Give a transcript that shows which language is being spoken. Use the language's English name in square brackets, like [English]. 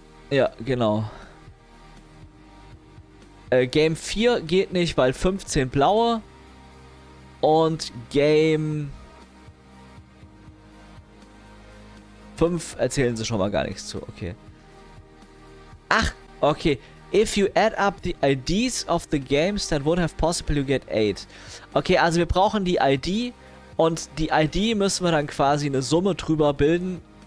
[German] Ja, genau. Game 4 geht nicht, weil 15 blaue. Und Game 5 erzählen sie schon mal gar nichts zu, okay. Ach, okay. [English] If you add up the IDs of the games that would have possible, you get 8. [German] Okay, also wir brauchen die ID. Und die ID müssen wir dann quasi eine Summe drüber bilden.